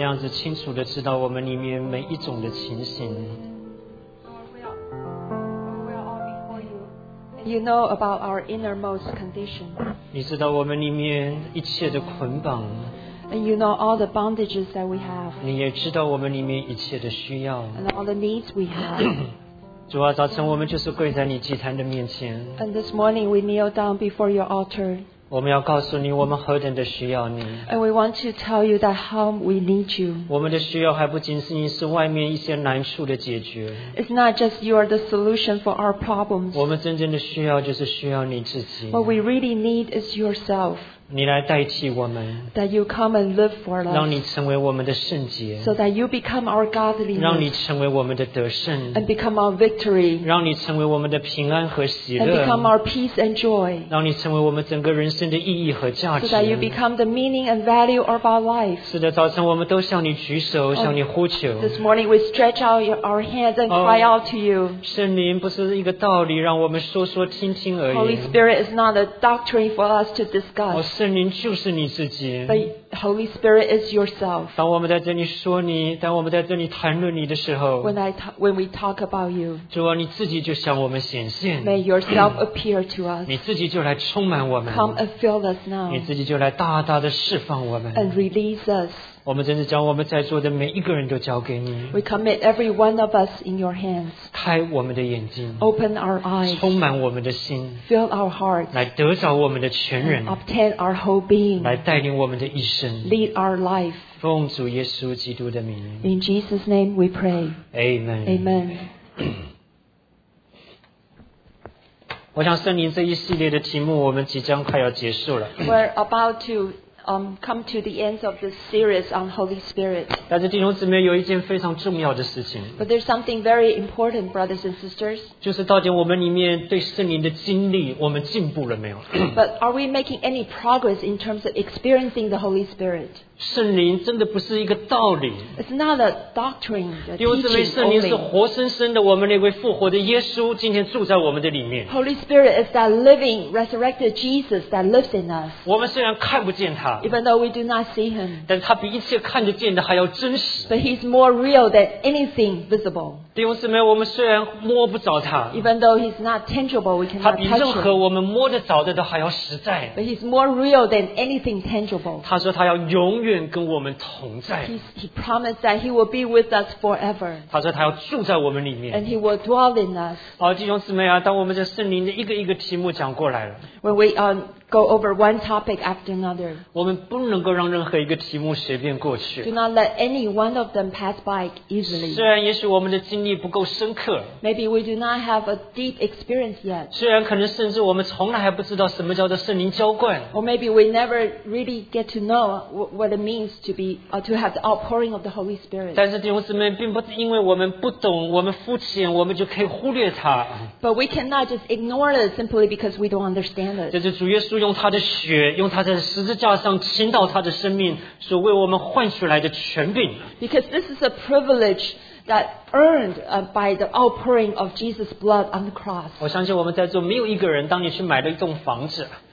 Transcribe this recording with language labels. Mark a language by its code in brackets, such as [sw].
[zh] 清楚地知道我们里面每一种的情形。 [en] You know about our innermost condition. [zh] 你知道我们里面一切的捆绑。 [en] And you know all the bondages that we have. [zh] 你也知道我们里面一切的需要。 [en] And all the needs we have. [zh] 主啊，早晨我们就是跪在你祭坛的面前。 [en] And this morning we kneel down before your altar. [zh] 我们要告诉你，我们何等的需要你。 [en] And we want to tell you that how we need you. [zh] 我们的需要还不仅仅是外面一些难处的解决。 [en] It's not just you are the solution for our problems. [zh] 我们真正的需要就是需要你自己。 [en] What we really need is yourself. [zh] 你来代替我们。 [en] That you come and live for us. [zh] 让你成为我们的圣洁。 [en] So that you become our godliness. [zh] 让你成为我们的得胜。 [en] And become our victory. [zh] 让你成为我们的平安和喜乐。 [en] And become our peace and joy. [zh] 让你成为我们整个人生的意义和价值。 [en] So that you become the meaning and value of our life. [zh] 是的，早晨我们都向你举手，向你呼求。 [en] This morning we stretch out our hands and cry out to you. [zh] 圣灵不是一个道理让我们说说听听而已。 [en] Holy Spirit is not a doctrine for us to discuss. [zh] 圣灵就是你自己。 [en] But Holy Spirit is yourself. [zh] 当我们在这里说你，当我们在这里谈论你的时候 [en] when we talk about you, [zh] 主啊，你自己就向我们显现。 [en] May yourself appear to us. [zh] 你自己就来充满我们。 [en] Come and fill us now. [zh] 你自己就来大大的释放我们。 [en] And release us. [zh] 我们真是将我们在座的每一个人都交给你。 [en] We commit every one of us in your hands. [zh] 开我们的眼睛。 [en] Open our eyes. [zh] 充满我们的心。 [en] Fill our hearts. [zh] 来得着我们的全人。 [en] Obtain our whole being. [zh] 来带领我们的一生。 [en] Lead our life. [zh] 奉主耶稣基督的名。 [en] In Jesus' name we pray. Amen. Amen. [zh] 我想圣灵这一系列的题目，我们即将快要结束了。 [en] We're about to. Come to the end of this series on Holy Spirit. [zh] 但是弟兄姊妹有一件非常重要的事情。 [en] But there's something very important, brothers and sisters. [zh] 就是到底我们里面对圣灵的经历，我们进步了没有？ [en] But are we making any progress in terms of experiencing the Holy Spirit? [zh] 圣灵真的不是一个道理。 [en] It's not a doctrine. [zh] 弟兄姊妹，圣灵是活生生的，我们那位复活的耶稣今天住在我们的里面。 [en] Holy Spirit is that living, resurrected Jesus that lives in us. [zh] 我们虽然看不见他。 [en] Even though we do not see him, [zh] 但他比一切看得见的还要真实。 [en] But he's more real than anything visible. [zh] 弟兄姊妹，我们虽然摸不着他。 [en] Even though he's not tangible, we cannot touch him. [zh] 他比任何我们摸得着的都还要实在。 [en] But he's more real than anything tangible. [zh] 他说他要永远跟我们同在。 [en] He promised that he will be with us forever. [zh] 他说他要住在我们里面。 [en] And he will dwell in us. [zh] 好，弟兄姊妹啊，当我们这圣灵的一个一个题目讲过来了。 [en] When we go over one topic after another. [zh] 我们不能够让任何一个题目随便过去。 [en] Do not let any one of them pass by easily. [zh] 虽然也许我们的经历不够深刻。 [en] Maybe we do not have a deep experience yet. [zh] 虽然可能甚至我们从来还不知道什么叫做圣灵浇灌。 [en] Or maybe we never really get to know what it means to have the outpouring of the Holy Spirit. [zh] 但是弟兄姊妹，并不是因为我们不懂，我们肤浅，我们就可以忽略它。 [en] But we cannot just ignore it simply because we don't understand it. [zh] 这是主耶稣用他的血，用他在十字架上倾倒他的生命，所为我们换取来的权柄。 [en] Because this is a privilege that earned by the outpouring of Jesus' blood on the cross. [zh] 我相信我们在座没有一个人，当你去买了一栋房子。